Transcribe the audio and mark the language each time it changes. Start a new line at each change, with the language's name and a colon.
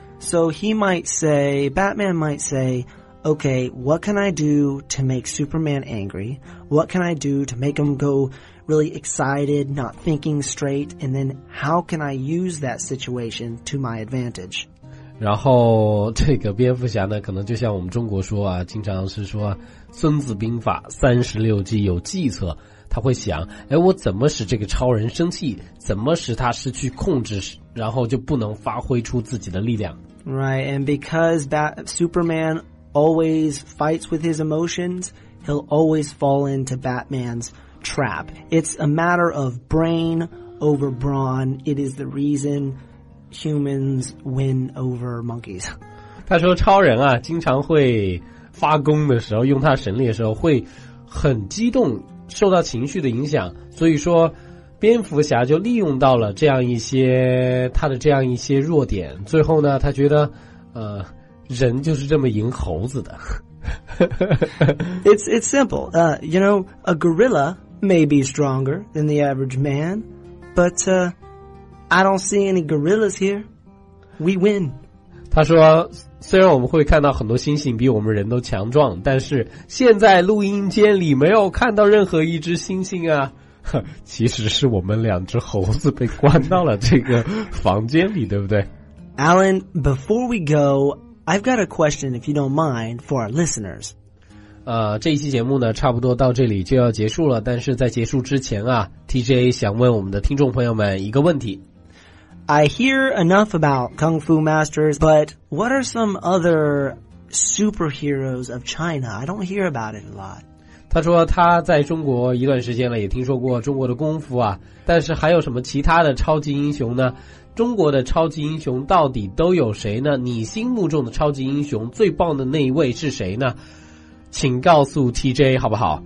English: So he might say, Batman might say,Okay, what can I do to make Superman angry? What can I do to make him go really excited, not thinking straight? And then how can I use that situation to my advantage?
Chinese: 然后这个蝙蝠侠呢，可能就像我们中国说啊，经常是说孙子兵法三十六计有计策，他会想，哎，我怎么使这个超人生气，怎么使他失去控制，然后就不能发挥出自己的力量。
English: Right, and because Superman... always fights with his emotions, he'll always fall into Batman's trap. It's a matter of brain over brawn. It is the reason humans win over monkeys.
Chinese: 他说超人啊，经常会发功的时候，用他神力的时候，会很激动，受到情绪的影响。所以说，蝙蝠侠就利用到了这样一些，他的这样一些弱点。最后呢，他觉得，人就是这么赢猴子的。
English: It's simple. You know, a gorilla may be stronger than the average man, but, I don't see any gorillas here. We win.
Chinese: 他说虽然我们会看到很多猩猩比我们人都强壮，但是现在录音间里没有看到任何一只猩猩啊。其实是我们两只猴子被关到了这个房间里，对不对？
English: Alan, before we go, I've got a question, if you don't mind, for our listeners.
Chinese: 这一期节目呢差不多到这里就要结束了，但是在结束之前啊， TJ 想问我们的听众朋友们一个问题。
English: I hear enough about Kung Fu Masters, but what are some other superheroes of China? I don't hear about it a lot.
Chinese: 他说他在中国一段时间了，也听说过中国的功夫啊，但是还有什么其他的超级英雄呢？中国的超级英雄到底都有谁呢？你心目中的超级英雄最棒的那一位是谁呢？请告诉 TJ 好不好？